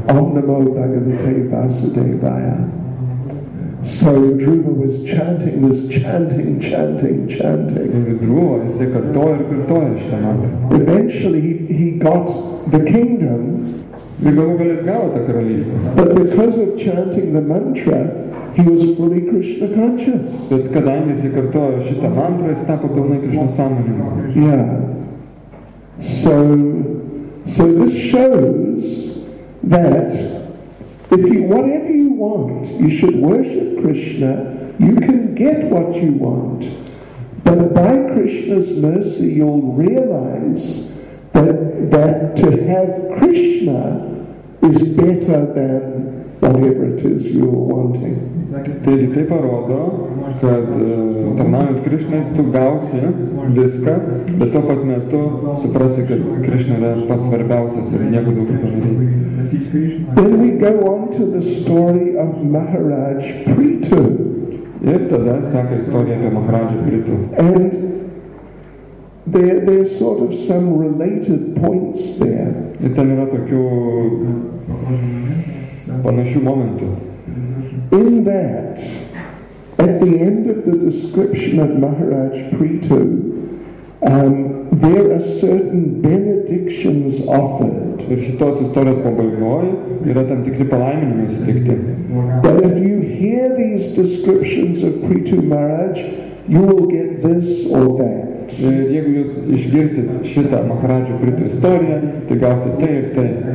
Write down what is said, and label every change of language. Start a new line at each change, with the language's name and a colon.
Sanskrit: Om namo bhagavate vasudevaya.
English: So Dhruva was chanting.
Lithuanian: Ir Dhruva jisai kartojo ir kartojo šitą mantrą.
English: Eventually he got the kingdom.
Lithuanian: Ir galų gale jis gavo tą karalystę.
English: But because of chanting the mantra, he was fully Krishna conscious.
Lithuanian: Bet kadangi jisai kartojo šitą mantrą, jis tapo pilnai Krishna sąmoningu.
English: Yeah. So this shows that if you, whatever you want, you should worship Krishna, you can get what you want. But by Krishna's mercy, you'll realize that to have Krishna is better than whatever it is you're wanting.
Lithuanian: Taigi tai parodo, kad tarnaujant Krishnai tu gausi viską, bet tuo pat metu suprasi, kad Krishna yra pats svarbiausias ir nieko daugiau pažadėjus.
English: Then we go on to the story of Maharaj Prithu.
Lithuanian: Ir tada seka istorija apie Maharaja Prithu.
English: And there's sort of some related points there.
Lithuanian: Ir ten yra tokių panašių momentų.
English: In that, at the end of the description of Maharaj Prithu, there are certain benedictions offered.
Lithuanian: Ir šitos istorijos pabaigoj yra tam tikri palaiminimai suteikti.
English: But if you hear these descriptions of Prithu Maharaj, you will get this or that.
Lithuanian: Ir jeigu jūs išgirsit šitą Maharaja Prithu istoriją, tai gausit tai ir tai.